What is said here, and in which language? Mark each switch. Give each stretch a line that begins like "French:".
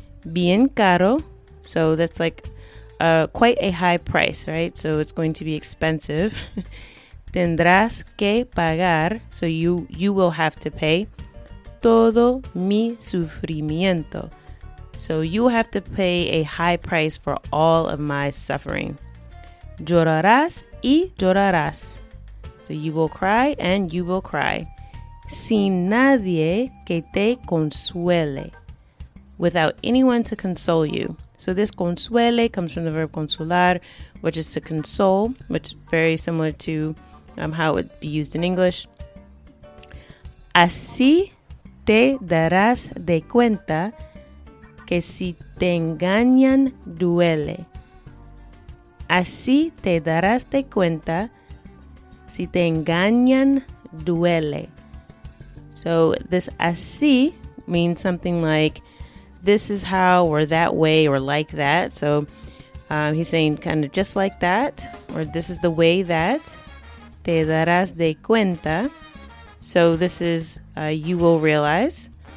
Spanish: Bien caro,
English: so that's like quite a high price, right? So it's going to be expensive.
Spanish: Tendrás que pagar,
English: so you will have to pay,
Spanish: todo mi sufrimiento.
English: So you have to pay a high price for all of my suffering.
Spanish: Llorarás y llorarás.
English: So you will cry and you will cry.
Spanish: Sin nadie que te consuele.
English: Without anyone to console you. So this consuele comes from the verb consolar, which is to console, which is very similar to how it would be used in English.
Spanish: Así te darás de cuenta que si te engañan duele. Así te darás de cuenta si te engañan duele.
English: So this así means something like this is how or that way or like that. So he's saying kind of just like that, or this is the way that.
Spanish: Te darás de cuenta.
English: So this is you will realize.